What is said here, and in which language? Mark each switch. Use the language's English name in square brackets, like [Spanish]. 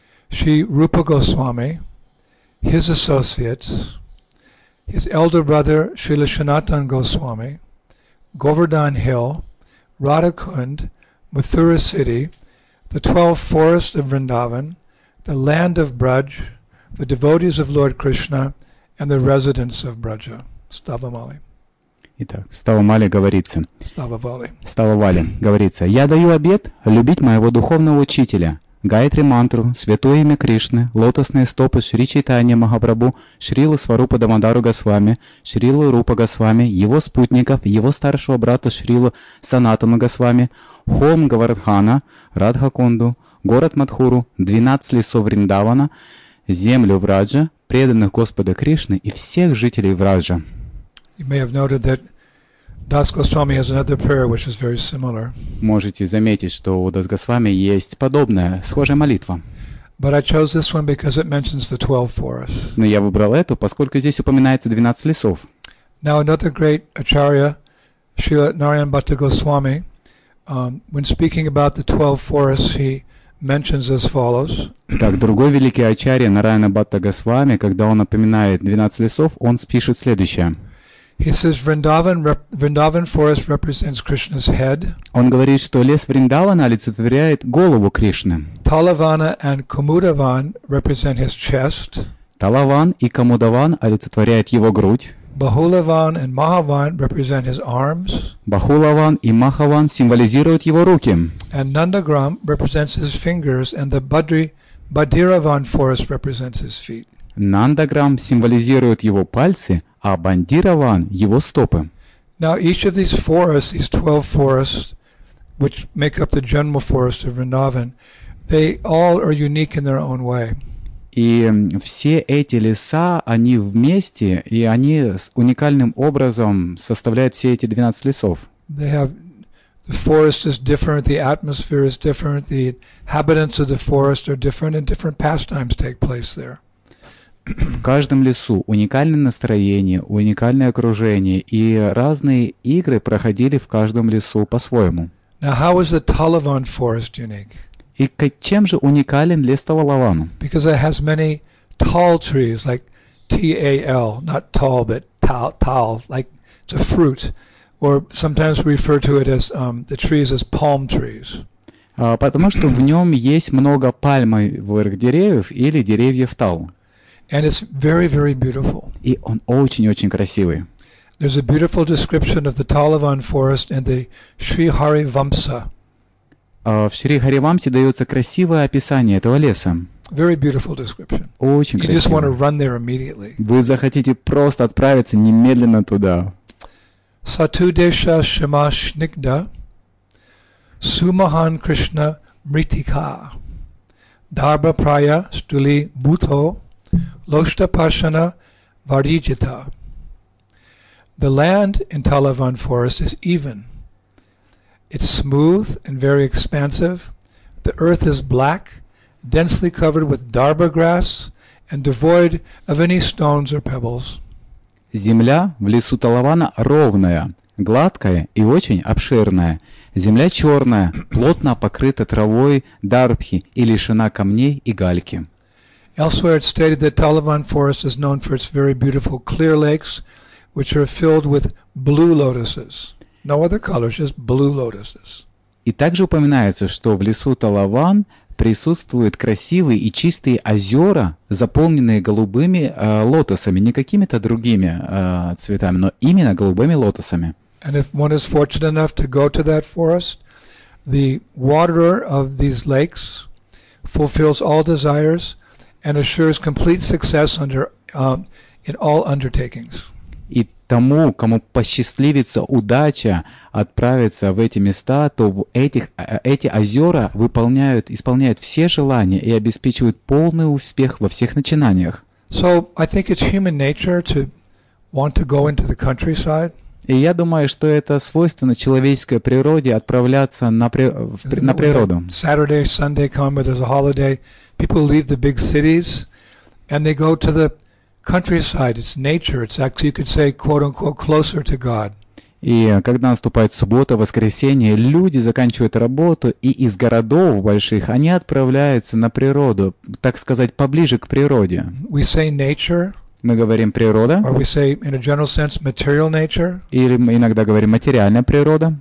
[English] Sri Rupa Goswami, his associates, his elder brother Srila Sanatan Goswami, Govardhan Hill, Radha Kund, Mathura City, the 12 forests of Vrindavan, the land of Braj, the devotees of Lord Krishna, and the residents of Braja. Stavamali. [Russian] Итак, Ставамали говорится. Стававали. Стававали говорится. Я даю обет любить моего духовного учителя, Гаятри Мантру, святое имя Кришны, лотосные стопы Шри Чайтанья Махапрабху, Шрилу Сварупа Дамодару Госвами, Шрилу Рупа Госвами, его спутников, его старшего брата Шрилу Санатану Госвами, Хом Гавардхана, Радхакунду, город Мадхуру, 12 лесов Вриндавана, землю Враджа, преданных Господа Кришны и всех жителей Враджа. [English] You may have noted that Das Goswami has another prayer which is very similar. [Russian] Можете заметить, что у Das Goswami есть подобная, схожая молитва. [English] But I chose this one because it mentions the 12 forests. [Russian] Но я выбрал эту, поскольку здесь упоминается 12 лесов. [English] Now another great acharya, Srila Narayan Bhatta Goswami, when speaking about the 12 forests, he mentions as follows. [Russian] Так, другой великий ачарья Нараяна Бхатта Госвами, когда он упоминает 12 лесов, он пишет следующее. [English] He says Vrindavan forest represents Krishna's head. [Russian] Он говорит, что лес Вриндавана олицетворяет голову Кришны. [English] Talavana and Kumudavan represent his chest. [Russian] Talavan и Kumudavan олицетворяют его грудь. [English] Bahulavan and Mahavan represent his arms. [Russian] Bahulavan и Mahavan символизируют его руки. [English] And Nandagram represents his fingers, and the Bhadiravan forest represents his feet. [Russian] Nandagram символизирует его пальцы, а Бандираван его стопы. [English] Now each of these forests, these 12 forests, which make up the general forest of Vrindavan, they all are unique in their own way. [Russian] И все эти леса, они вместе, и они уникальным образом составляют все эти 12 лесов. [English] They have, the forest is different, the atmosphere is different, the inhabitants of the forest are different, and different pastimes take place there. [Russian] В каждом лесу уникальное настроение, уникальное окружение, и разные игры проходили в каждом лесу по-своему. [English] Now, how is the Talavan forest unique? [Russian] И чем же уникален лес Талаван? [English] Because it has many tall trees, like T-A-L, not tall, but tall, like it's a fruit. Or sometimes we refer to it as the trees as palm trees. [Russian] Потому что в нем есть много пальмовых деревьев или деревьев тал. [English] And it's very, very beautiful. [Russian] И он очень-очень красивый. [English] There's a beautiful description of the Talavan forest and the Sri Hari Vamsa. [Russian] В Шри Харивамсе дается красивое описание этого леса. [English] Very beautiful description. [Russian] Очень красиво. [English] You just want to run there immediately. [Russian] Вы захотите просто отправиться немедленно туда. [Sanskrit] Сату деша шима шникда сумахан кришна мритика дарба прая стули бутхо лошта пашана варджита. [English] The land in Talavan forest is even. It's smooth and very expansive. The earth is black, densely covered with darba grass, and devoid of any stones or pebbles. [Russian] Земля в лесу Талавана ровная, гладкая и очень обширная. Земля черная, плотно покрыта травой дарбхи и лишена камней и гальки. [English] Elsewhere it's stated that Talavan forest is known for its very beautiful clear lakes, which are filled with blue lotuses. No other colors, just blue lotuses. [Russian] И также упоминается, что в лесу Талаван присутствуют красивые и чистые озера, заполненные голубыми лотосами, не какими-то другими цветами, но именно голубыми лотосами. [English] And if one is fortunate enough to go to that forest, the water of these lakes fulfills all desires and assures complete success under in all undertakings. [Russian] Тому, кому посчастливится удача отправиться в эти места, то в эти озера исполняют все желания и обеспечивают полный успех во всех начинаниях. [English] So, I think it's human nature to want to go into the countryside. [Russian] И я думаю, что это свойственно человеческой природе отправляться на природу. [English] Saturday, Sunday come, but there's a holiday. People leave the big cities and they go to the countryside, it's nature, it's actually, you could say, quote-unquote, closer to God. [Russian] И когда наступает суббота, воскресенье, люди заканчивают работу, и из городов больших они отправляются на природу, так сказать, поближе к природе. [English] We say nature. [Russian] Мы говорим природа. [English] Or we say, in a general sense, material nature. [Russian] Или мы иногда говорим материальная природа.